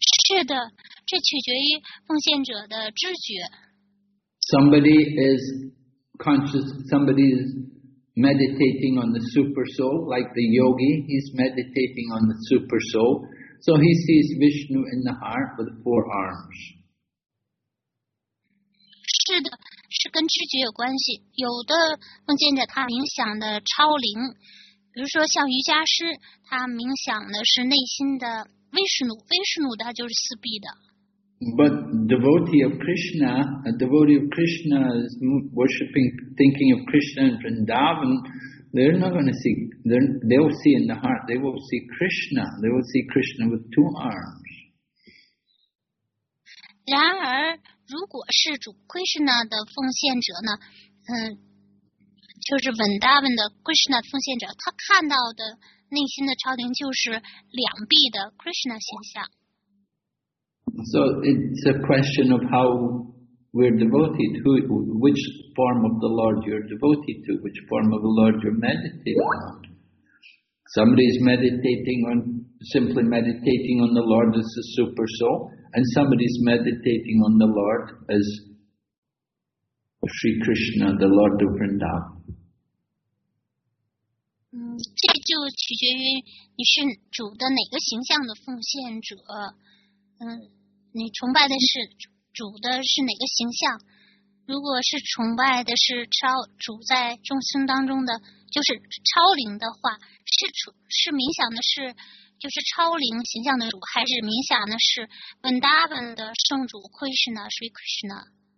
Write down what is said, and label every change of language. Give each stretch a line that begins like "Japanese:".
Chinese: 是的，这取决于奉献者的知觉。
English: Somebody is conscious, somebody is meditating on the super soul, like the yogi, he's meditating on the super soul. So he sees Vishnu in the heart with four arms.
Chinese: 是的，是跟知觉有关系。有的奉献者他冥想的超灵，比如说像瑜伽师，他冥想的是内心的Vishnu, 他就是四臂的。
English: But devotee of Krishna, a devotee of Krishna is worshipping, thinking of Krishna and Vrindavan, they're not going to see, they'll see in the heart, they will see Krishna, they will see Krishna with two arms.
Chinese: 然而，如果是主 Krishna 的奉献者呢，就是 Vrindavan 的 Krishna 奉献者，他看到的内心的超灵就是两臂的 Krishna 形象。
English: So it's a question of how we're devoted to, which form of the Lord you're devoted to, which form of the Lord you're meditating on. Somebody's meditating on, simply meditating on the Lord as the super soul, and somebody's meditating on the Lord as Sri Krishna, the Lord of Vrindavan.
Chinese: 这就取决于你是主的哪个形象的奉献者，你崇拜的是主的是哪个形象？如果是崇拜的是超主在众生当中的就是超灵的话，是冥想的是就是超灵形象的主，还是冥想的是本达本的圣主 Krishna Sri Krishna？